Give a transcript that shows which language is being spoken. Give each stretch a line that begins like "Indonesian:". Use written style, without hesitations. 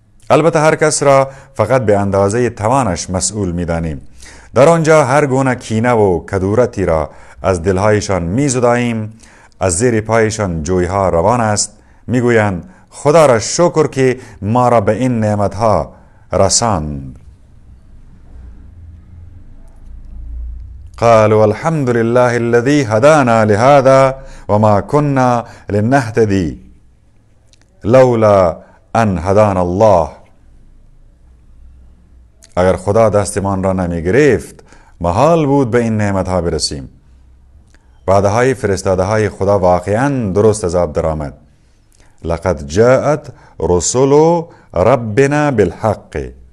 Persian: البته هر کس را فقط به اندازه توانش مسئول می دانیم. در آنجا هر گونه کینه و کدورتی را از دلهایشان می زداییم. از زیر پایشان جویها روان است. می گویند خدا را شکر که ما را به این نعمت ها رساند.
Arabic: قالوا الحمد لله الذي هدانا لهذا وما كنا لنهتدي لولا ان هدانا الله.
Persian: اگر خدا دستمان را نمی گرفت محال بود به این نعمت ها برسیم. وعده های فرستاده های خدا واقعا درست از آب درآمد.
Arabic: لقد جاءت رسل ربنا بالحق.